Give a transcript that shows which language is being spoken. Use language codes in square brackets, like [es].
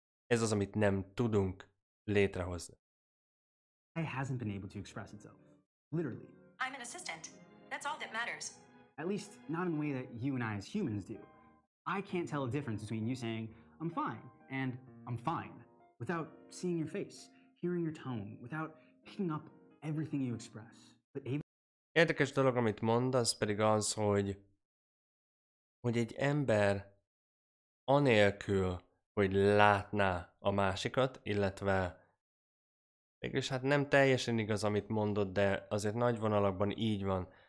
[hu] Ez az, amit nem tudunk létrehozni. [en] I hasn't been able to express itself. Literally. I'm an assistant. That's all that matters. At least not in the way that you and I as humans do. I can't tell a difference between you saying, I'm fine, and I'm fine, without seeing your face, hearing your tone, without picking up everything you express. But [hu] érdekes dolog, amit mondasz, pedig az, hogy egy ember anélkül, hogy látná a másikat, illetve mégis hát nem teljesen igaz, amit mondod, de azért nagy vonalakban így van.